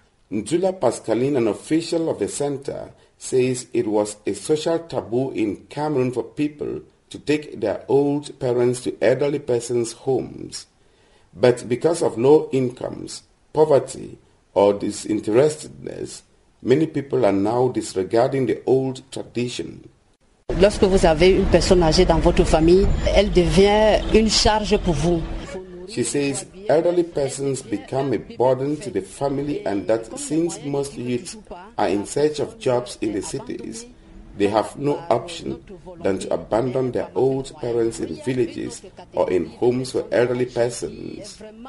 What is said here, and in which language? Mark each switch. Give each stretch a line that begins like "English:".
English: Ndula Pascaline, an official of the center, says it was a social taboo in Cameroon for people to take their old parents to elderly persons' homes. But because of low incomes, poverty, or disinterestedness, many people are now disregarding the old tradition.
French: Lorsque vous avez une personne âgée dans votre famille, elle devient une charge pour vous.
English: She says elderly persons become a burden to the family, and that since most youths are in search of jobs in the cities, they have no option than to abandon their old parents in villages or in homes for elderly persons.